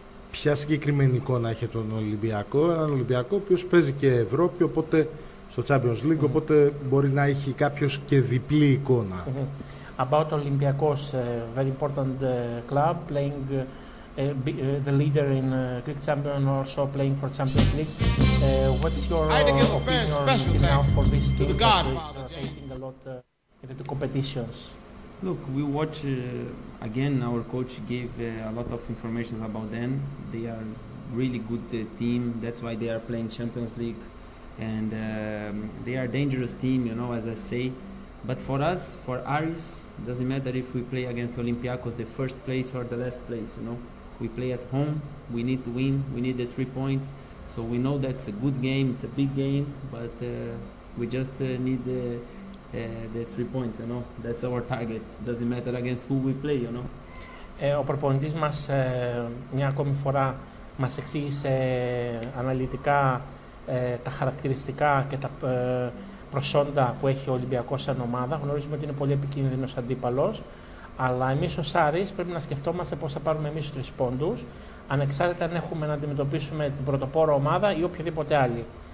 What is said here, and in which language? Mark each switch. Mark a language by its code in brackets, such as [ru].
[el] Ποια συγκεκριμένη εικόνα έχει τον Ολυμπιακό? Έναν Ολυμπιακό ο οποίος παίζει και Ευρώπη, οπότε στο Champions League, οπότε μπορεί να έχει κάποιος και διπλή εικόνα. [en] About Olympiacos, very important club playing. The leader in Greek champion, also playing for Champions League. What's your opinion now for this team? The Godfather, taking a lot into competitions. Look, we watch again. Our coach gave a lot of information about them. They are really good team. That's why they are playing Champions League, and they are dangerous team. You know, as I say. But for us, for Aris, doesn't matter if we play against Olympiacos, the first place or the last place. You know. We play at home, we need to win, we need the 3 points. So we know that's a good game, it's a big game, but we just need the 3 points, you know. That's our target. Doesn't matter against who we play, you know. [el] Ο προπονητής μας μια ακόμη φορά μας εξήγησε αναλυτικά τα χαρακτηριστικά και τα προσόντα που έχει ο Ολυμπιακός σαν ομάδα. Γνωρίζουμε ότι είναι πολύ επικίνδυνος αντίπαλος. Αλλά εμείς ως Άρης πρέπει να σκεφτόμαστε πώς θα πάρουμε εμείς τους 3 πόντους, ανεξάρτητα αν έχουμε να αντιμετωπίσουμε την πρωτοπόρο ομάδα ή οποιαδήποτε άλλη.